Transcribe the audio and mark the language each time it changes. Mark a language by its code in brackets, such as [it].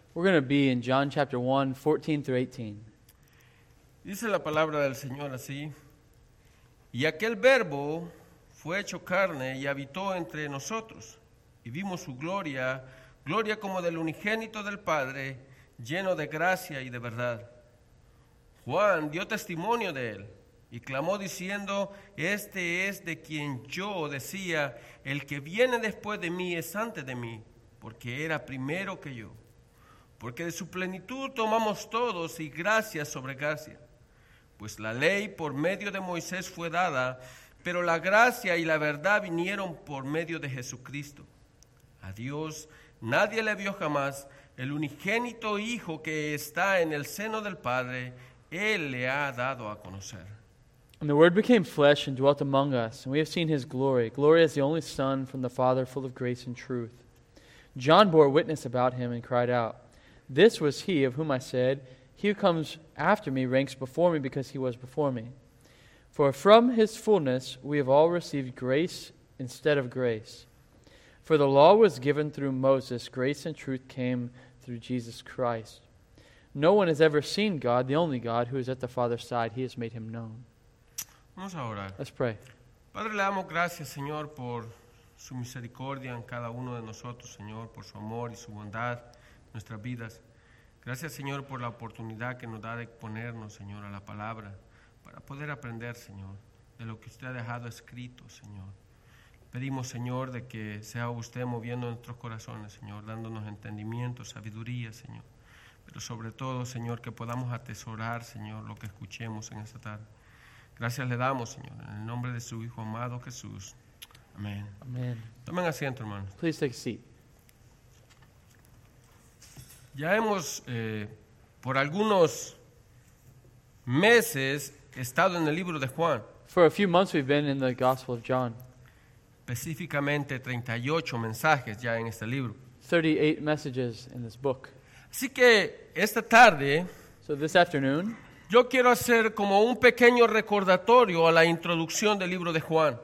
[en] We're going to be in John chapter 1, 14 through 18. [es] Dice la palabra del Señor así: Y aquel verbo fue hecho carne y habitó entre nosotros, y vimos su gloria, gloria como del unigénito del Padre, lleno de gracia y de verdad. Juan dio testimonio de él y clamó diciendo, Este es de quien yo decía, el que viene después de mí es antes de mí, porque era primero que yo. Porque de su plenitud tomamos todos y gracia sobre gracia. Pues la ley por medio de Moisés fue dada, pero la gracia y la verdad vinieron por medio de Jesucristo. A Dios nadie le vio jamás. El unigénito Hijo que está en el seno del Padre, Él le ha dado a conocer. [en] And the Word became flesh and dwelt among us, and we have seen His glory, glory as the only Son from the Father, full of grace and truth. John bore witness about Him and cried out, This was He of whom I said, He who comes after me ranks before me because He was before me. For from His fullness we have all received grace instead of grace. For the law was given through Moses, grace and truth came through Jesus Christ. No one has ever seen God, the only God, who is at the Father's side. He has made Him known. [es] Vamos a orar. [en] Let's pray. [es] Padre, le damos gracias, Señor, por su misericordia en cada uno de nosotros, Señor, por su amor y su bondad en nuestras vidas. Gracias, Señor, por la oportunidad que nos da de exponernos, Señor, a la palabra, para poder aprender, Señor, de lo que usted ha dejado escrito, Señor. Pedimos, Señor, de que sea usted moviendo nuestros corazones, Señor, dándonos entendimiento, sabiduría, Señor. Pero sobre todo, Señor, que podamos atesorar, Señor, lo que escuchemos en esta tarde. Gracias le damos, Señor, en el nombre de su Hijo amado Jesús. Amén. Amén. Tomen asiento, hermanos. [en] Please take a seat. [es] Ya hemos, por algunos meses, estado en el libro de Juan. [en] For a few months we've been in the Gospel of John. [es] Específicamente 38 mensajes ya en este libro. [en] 38 messages in this book. [es] Así que esta tarde, [en] so this afternoon, [es] yo quiero hacer como un pequeño recordatorio a la introducción del libro de Juan.